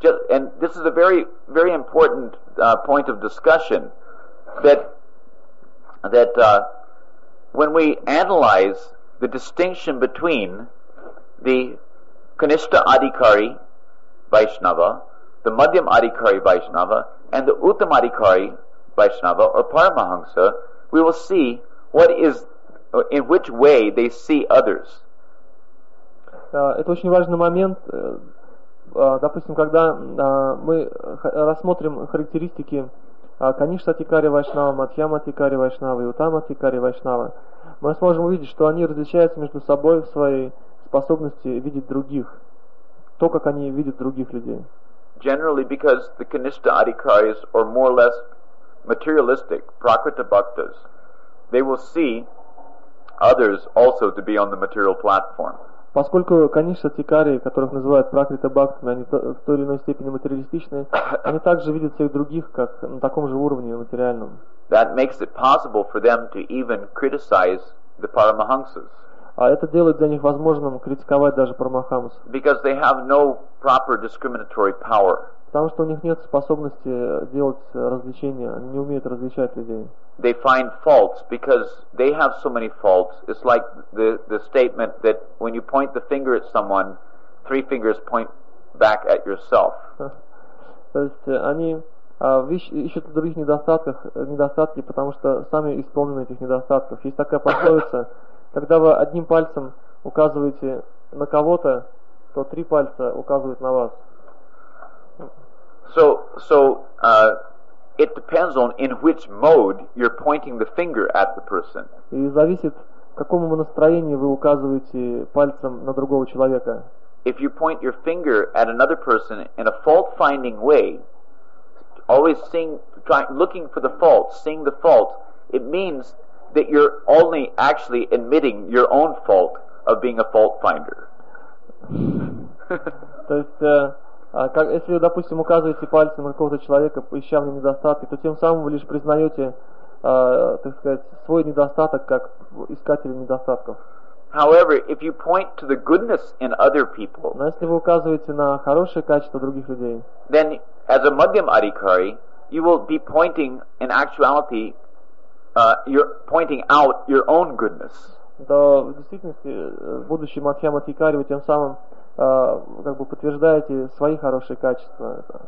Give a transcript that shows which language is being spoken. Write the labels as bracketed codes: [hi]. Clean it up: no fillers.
[en] And this is a very, very important point of discussion that when we analyze the distinction between the Kanishta Adhikari Vaishnava, the Madhyam Adhikari Vaishnava, and the Uttam Adhikari Vaishnava or Paramahamsa, we will see what is in which way they see others. [ru] Это очень важный момент. Допустим, когда мы рассмотрим характеристики Каништа Тикари Вайшнава, Матхьяма Тикари Вайшнава и Утама Тикари Вайшнава, мы сможем увидеть, что они различаются между собой в своей способности видеть других, то, как они видят других людей. [en] Generally, because the Kanishta Adhikaris are more or less materialistic, Prakriti Bhaktas, they will see others also to be on the material platform. [ru] Поскольку Каништа Тикари, которых называют Пракрита Бхактами, они в той или иной степени материалистичны, они также видят всех других как на таком же уровне материальном. [en] That makes it possible for them to even criticize the Paramahamsas. [ru] А это делает для них возможным критиковать даже Парамахамс. [en] Because they have no proper discriminatory power. [ru] Потому что у них нет способности делать различения, они не умеют различать людей. [en] They find faults because they have so many faults. It's like the statement that when you point the finger at someone, three fingers point back at yourself. [ru] То есть они ищут в других недостатках недостатки, потому что сами исполнены этих недостатков. Есть такая пословица: когда вы одним пальцем указываете на кого-то, то три пальца указывают на вас. [en] So it depends on in which mode you're pointing the finger at the person. [ru] И зависит, в каком настроении вы указываете пальцем на другого человека. [en] If you point your finger at another person in a fault-finding way, always looking for the fault, seeing the fault, it means that you're only actually admitting your own fault of being a fault finder. [ru] То есть если вы, допустим, указываете пальцем на какого-то человека, ища в нем недостатки, то тем самым вы лишь признаете, так сказать, свой недостаток как искателя недостатков. [en] However, if you point to the goodness in other people, [ru] но если вы указываете на хорошие качества других людей, [en] then as a Madhyam Adhikari, you will be pointing in actuality, you're pointing out your own goodness. [ru] То в действительности, будучи Мадхьяма Адхикари, вы тем самым как бы подтверждаете свои хорошие качества.